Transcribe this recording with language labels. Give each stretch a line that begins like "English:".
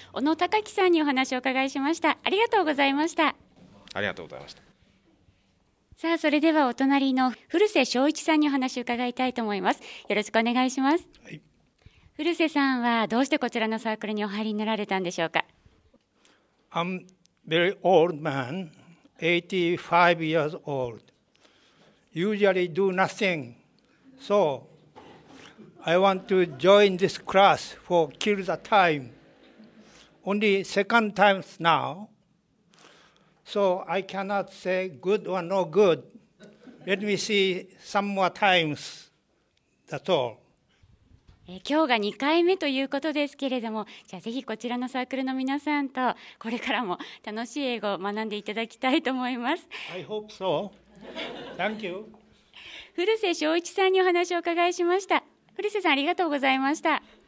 Japanese: 小野孝樹さんにお話を伺いしました。ありがとうございました。ありがとうございました。さあ、それではお隣の古瀬翔一さんにお話を伺いたいと思います。よろしくお願いします。はい、古瀬さんはどうしてこちらのサークルにお入りになられたんでしょうか？
English: I'm very old man, 85 years old. Usually do nothing. SoI want to join this class for kill the time. Only second time now. So I cannot say good or no good. Let me see some more times. That's all.
Japanese: 今日が2回目ということですけれども、じゃあぜひこちらのサークルの皆さんとこれからも楽しい英語を学んでいただきたいと思います。
English: I hope so. Thank you.
Japanese: 古瀬翔一さんにお話を伺いしました。古瀬さん、ありがとうございました。